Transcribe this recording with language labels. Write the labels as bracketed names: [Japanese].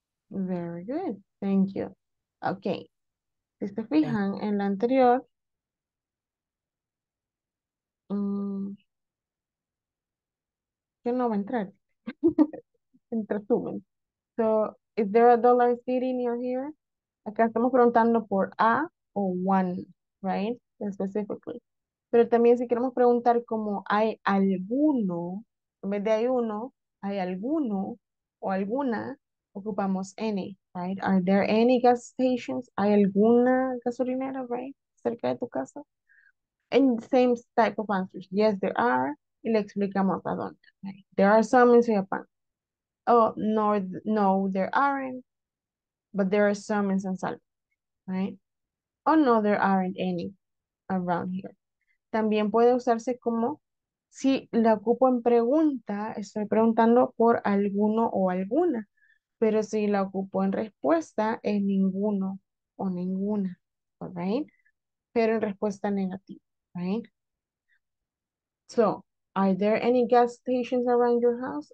[Spanish] Very good. Thank you. Okay. Si se fijan en la anterior. Yo no voy a entrar. En resumen. [English] So, is there a dollar city near here? [Spanish] Acá estamos preguntando por a o one, right? Specifically. Pero también si queremos preguntar como hay alguno, en vez de hay uno, hay alguno o alguna, ocupamos any, right? Are there any gas stations? ¿Hay alguna gasolinera, right? Cerca de tu casa. [English] And same type of answers. Yes, there are. Y le explicamos a dónde. Right? There are some in Soyapan. Oh, no, no, there aren't. But there are some in San Salvador, right? Oh, no, there aren't any around here. [Spanish] También puede usarse como si la ocupo en pregunta, estoy preguntando por alguno o alguna. Pero si la ocupo en respuesta, es ninguno o ninguna, right? Pero en respuesta negativa, right? [English] So, are there any gas stations around your house?